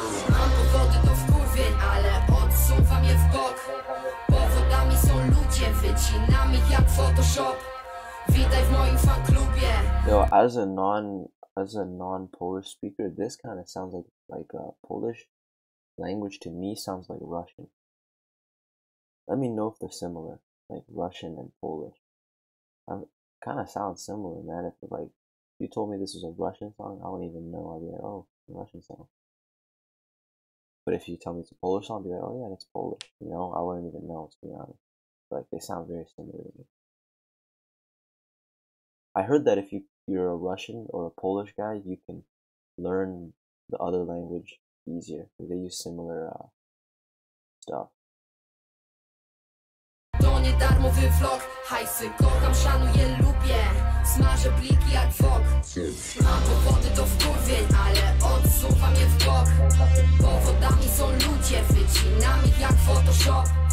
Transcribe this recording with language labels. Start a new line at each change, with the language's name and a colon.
Polish: Mam powody do wkurwień, ale odsuwam je w bok. Powodami są ludzie, wycinam ich jak Photoshop. Witaj w moim fan klubie.
English: Yo, as a non Polish speaker, this kind of sounds like a Polish language to me sounds like Russian. Let me know if they're similar, like Russian and Polish. Kind of sounds similar, man. If like you told me this was a Russian song, I wouldn't even know. I'd be like, oh, a Russian song. But if you tell me it's a Polish song, I'd be like, oh yeah, it's Polish. You know, I wouldn't even know, to be honest. But, like, they sound very similar to me. I heard that if you're a Russian or a Polish guy, you can learn the other language easier. They use similar stuff.
Polish: Niedarmowy vlog, hajsy kocham, szanuję, lubię. Smażę pliki jak wok. Mam powody do wkurwień, ale odsuwam je w bok. Powodami są ludzie, wycinam ich jak Photoshop.